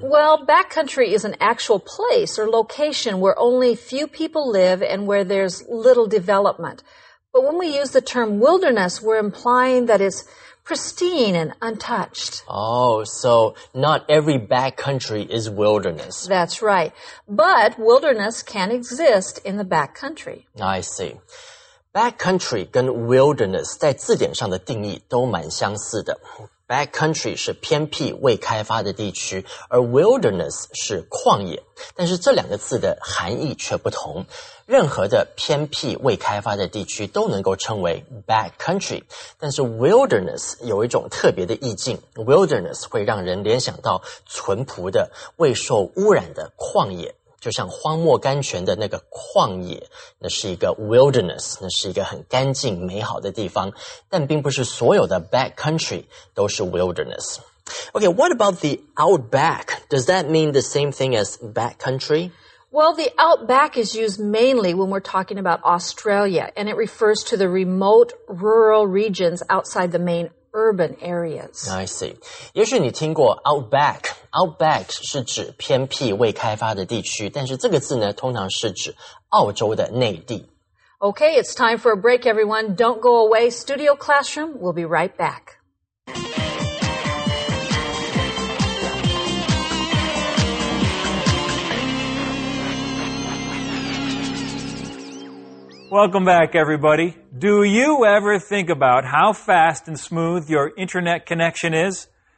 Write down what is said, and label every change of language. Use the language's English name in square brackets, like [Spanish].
[English] Well, backcountry is an actual place or location where only few people live and where there's little development. But when we use the term wilderness, we're implying that it's pristine and untouched. Oh, so not every backcountry is wilderness. That's right. But wilderness can exist in the backcountry. I see. [Chinese] Backcountry 跟 wilderness 在字典上的定义都蛮相似的。 Backcountry 是偏僻未开发的地区，而 wilderness 是旷野。但是这两个字的含义却不同。任何的偏僻未开发的地区都能够称为 backcountry， 但是 wilderness 有一种特别的意境。 Wilderness 会让人联想到淳朴的、未受污染的旷野。就像荒漠甘泉的那个旷野，那是一个 wilderness， 那是一个很干净美好的地方，但并不是所有的 backcountry 都是 wilderness。 [English] Okay, what about the outback? Does that mean the same thing as backcountry? Well, the outback is used mainly when we're talking about Australia, and it refers to the remote rural regions outside the mainurban areas. I see. [Chinese] 也许你听过 outback. Outback 是指偏僻未开发的地区，但是这个字呢，通常是指澳洲的内地。 [English] Okay, it's time for a break, everyone. Don't go away. Studio Classroom, we'll be right back. Welcome back, everybody. Do you ever think about how fast and smooth your internet connection is?